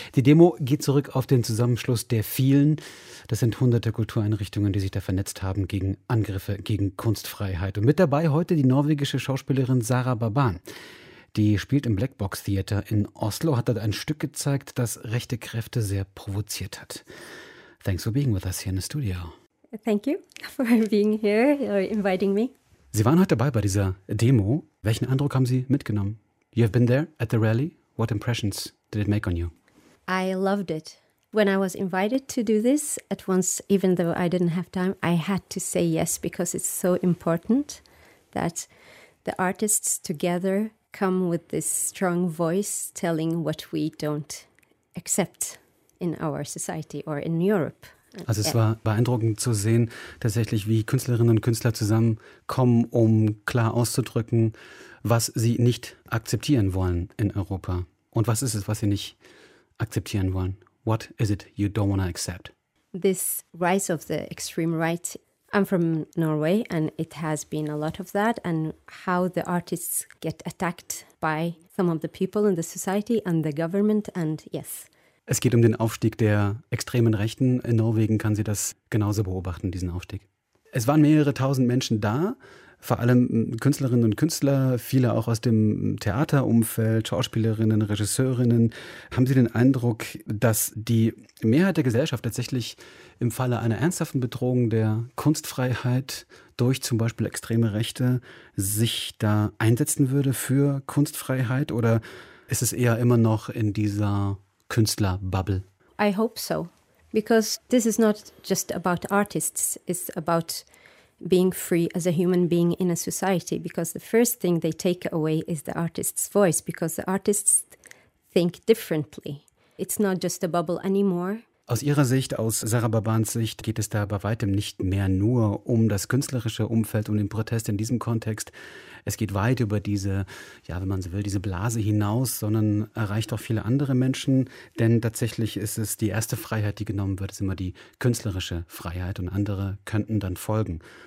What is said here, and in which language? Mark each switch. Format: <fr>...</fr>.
<de>Die Demo geht zurück auf den Zusammenschluss der vielen. Das sind hunderte Kultureinrichtungen, die sich da vernetzt haben gegen Angriffe, gegen Kunstfreiheit. Und mit dabei heute die norwegische Schauspielerin Sarah Baban. Die spielt im Blackbox Theater in Oslo, hat dort ein Stück gezeigt, das rechte Kräfte sehr provoziert hat.</de> <en>Thanks for being with us here in the studio. Thank you for being here, or inviting me.</en> <de>Sie waren heute dabei bei dieser Demo. Welchen Eindruck haben Sie mitgenommen?</de> <en>You have been there at the rally. What impressions did it make on you? I loved it. When I was invited to do this at once, even though I didn't have time, I had to say yes, because it's so important that the artists together come with this strong voice telling what we don't accept in our society or in Europe.</en> <de>Also es war beeindruckend zu sehen, tatsächlich, wie Künstlerinnen und Künstler zusammenkommen, um klar auszudrücken, was sie nicht akzeptieren wollen in Europa. Und was ist es, was sie nicht akzeptieren wollen?</de> <en>What is it you don't want to accept? This rise of the extreme right. I'm from Norway, and it has been a lot of that, and how the artists get attacked by some of the people in the society and the government, and yes.</en> <de>Es geht um den Aufstieg der extremen Rechten. In Norwegen kann sie das genauso beobachten, diesen Aufstieg. Es waren mehrere tausend Menschen da, vor allem Künstlerinnen und Künstler, viele auch aus dem Theaterumfeld, Schauspielerinnen, Regisseurinnen. Haben Sie den Eindruck, dass die Mehrheit der Gesellschaft tatsächlich im Falle einer ernsthaften Bedrohung der Kunstfreiheit durch zum Beispiel extreme Rechte sich da einsetzen würde für Kunstfreiheit? Oder ist es eher immer noch in dieser Künstlerbubble?</de> <en>I hope so, because this is not just about artists, it's about being free as a human being in a society, because the first thing they take away is the artist's voice, because the artists think differently. It's not just a bubble anymore.</en> <de>Aus Ihrer Sicht, aus Sarah Babans Sicht, geht es da bei weitem nicht mehr nur um das künstlerische Umfeld, um den Protest in diesem Kontext. Es geht weit über diese, ja, wenn man so will, diese Blase hinaus, sondern erreicht auch viele andere Menschen. Denn tatsächlich ist es die erste Freiheit, die genommen wird, ist immer die künstlerische Freiheit, und andere könnten dann folgen.</de>